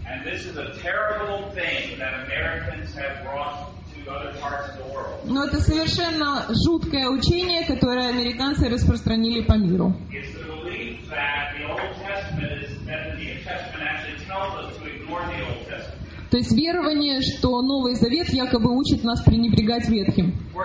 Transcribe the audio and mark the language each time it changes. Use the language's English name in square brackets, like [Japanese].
[English] And this is a terrible thing that Americans have brought to other parts of the world. [Russian] Но это совершенно жуткое учение, которое американцы распространили по миру. [English] It's the belief that the Old Testament is that the New Testament actually tells us to ignore the Old Testament. [Russian] То есть верование, что Новый Завет якобы учит нас пренебрегать Ветхим.